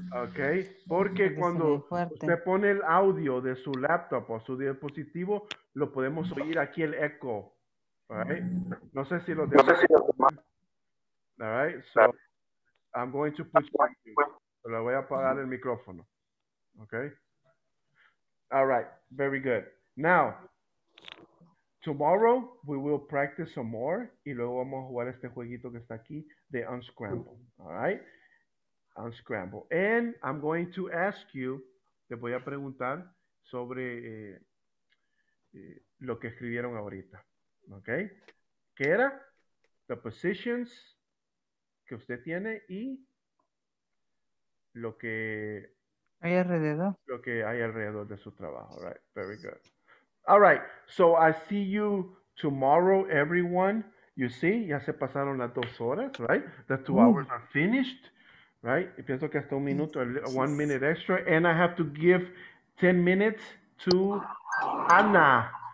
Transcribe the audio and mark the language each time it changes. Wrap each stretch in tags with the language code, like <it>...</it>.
<es>Ok, porque cuando usted pone el audio de su laptop o su dispositivo, lo podemos oír aquí el eco. Right? No sé si lo tengo.</es> <en>Alright, so I'm going to push my mic.</en> <es>Le voy a apagar el micrófono. Ok.</es> <en>Alright, very good. Now, tomorrow, we will practice some more</en> <es>y luego vamos a jugar este jueguito que está aquí de</es> <en>Unscramble, all right? Unscramble. And I'm going to ask you,</en> <es>te voy a preguntar sobre lo que escribieron ahorita, okay? ¿Qué era?</es> <en>The positions</en> <es>que usted tiene y lo que hay alrededor. Lo que hay alrededor de su trabajo, all right?</es> <en>Very good. All right, so I see you tomorrow, everyone. You see,</en> <es>ya se pasaron las dos horas,</es> <en>right? The two hours are finished, right?</en> <es>Y pienso que hasta un minuto,</es> <en>one minute extra. And I have to give 10 minutes to Ana.</en>